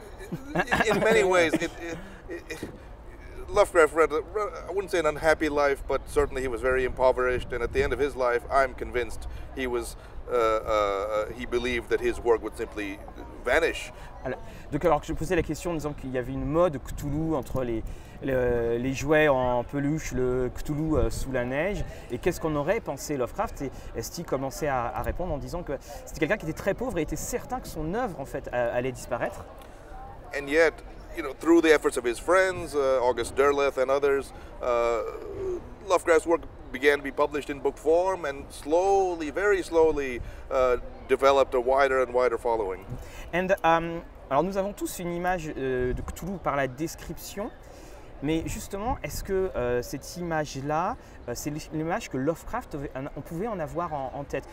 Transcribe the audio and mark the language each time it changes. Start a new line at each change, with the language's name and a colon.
English: In many ways, Lovecraft read, I wouldn't say an unhappy life, but certainly he was very impoverished, and at the end of his life, I'm convinced he was, he believed that his work would simply vanish.
French: Alors que je posais la question en disant qu'il y avait une mode Cthulhu entre les jouets en peluche, le Cthulhu sous la neige, et qu'est-ce qu'on aurait pensé Lovecraft, et Esty commençait à répondre en disant que c'était quelqu'un qui était très pauvre et était certain que son œuvre en fait allait disparaître.
English: And yet, you know, through the efforts of his friends, August Derleth and others, Lovecraft's work began to be published in book form and slowly, very slowly, developed a wider and wider following.
French: And, alors nous avons tous une image de Cthulhu par la description, mais justement, est-ce que cette image-là, c'est l'image que Lovecraft, on pouvait en avoir en tête?